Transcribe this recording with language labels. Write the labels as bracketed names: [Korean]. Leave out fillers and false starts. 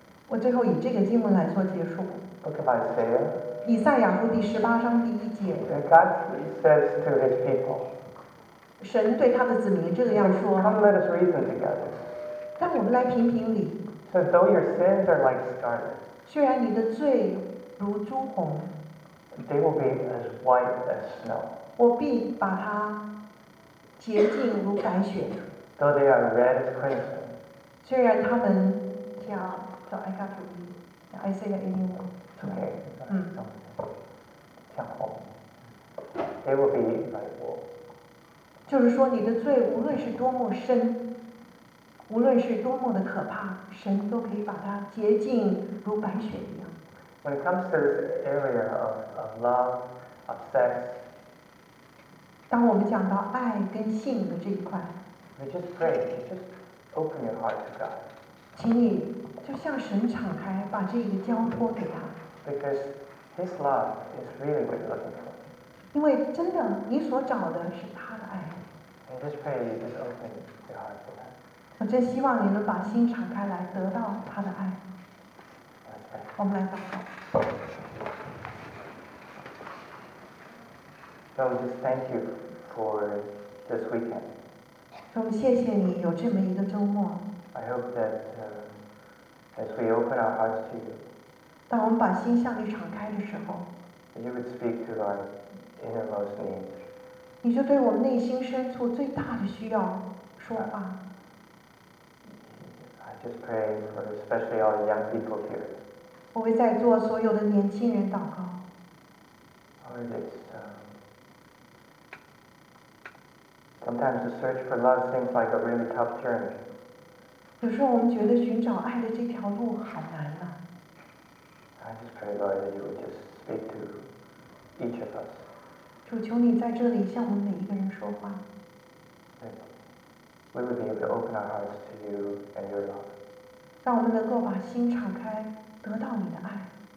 [Chinese] 我最后以这个经文来做结束。 [English] Book of Isaiah. [Chinese] 以赛亚书第十八章第一节。 [English] God says to His people. [Chinese] 神对他的子民这个样说。 [English] Come, let us reason together. [Chinese] 让我们来评评理。 [English] So though your sins are like scarlet, [Chinese] 虽然你的罪如朱红 [English] they will be as white as snow. [Chinese] 我必把它洁净如白雪 [English] Though they are red as crimson, [Chinese] 虽然他们叫 像红 [English] they will be like wool. [Chinese] 就是说你的罪无论是多么深。无论是多么的可怕，神都可以把它洁净如白雪一样。 [English] When it comes to this area of love, of sex, [Chinese] 当我们讲到爱跟性的这一块 [English] ，We just pray, just open your heart to God. [Chinese] 请你就向神敞开，把这个交托给他。 [English] Because His love is really what you're looking for. [Chinese] 因为真的，你所找的是他的爱。 [English] And just pray, just open your heart to God. [Chinese] 我真希望你能把心敞开来得到他的爱。我们来祷告。 [English] So just thank you for this weekend. [Chinese] 我们谢谢你有这么一个周末。 [English] I hope that as we open our hearts to you. [Chinese] 当我们把心向你敞开的时候。 [English] You would speak to our innermost needs. [Chinese] 你就对我们内心深处最大的需要说话。 [English] Just pray for especially all the young people here. [Chinese] 我会在座所有的年轻人祷告。 [English] Lord, it's Sometimes the search for love seems like a really tough journey. [Chinese] 有时候我们觉得寻找爱的这条路好难啊。 [English] I just pray, Lord, that you would just speak to each of us. [Chinese] 主求你在这里向我们每一个人说话。 [English] We would be able to open our hearts to you and your love. [Chinese] 让我们能够把心敞开，得到你的爱。